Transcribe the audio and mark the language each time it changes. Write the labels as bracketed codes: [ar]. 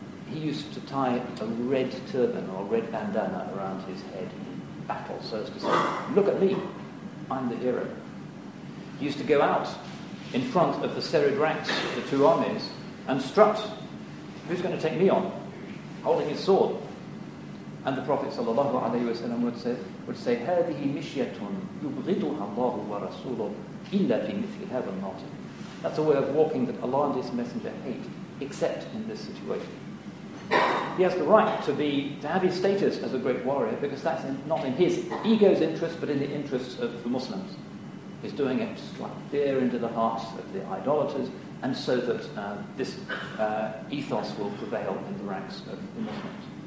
[en] He used to tie a red turban or a red bandana around his head in battle so as to say, look at me, I'm the hero. He used to go out in front of the serried ranks of the two armies and strut. Who's going to take me on? Holding his sword. And the Prophet sallallahu alaihi wasallam would say, [ar] هَذِهِ مِشْيَةٌ يُبْغِضُهَا اللَّهُ وَرَسُولُهُ إِلَّا فِي مِثْلِ هَذَا النَّاطِ. [en] That's a way of walking that Allah and His Messenger hate, except in this situation. He has the right to have his status as a great warrior, because that's not in his ego's interest, but in the interests of the Muslims. He's doing it to strike fear into the hearts of the idolaters, and so that this ethos will prevail in the ranks of the Muslims.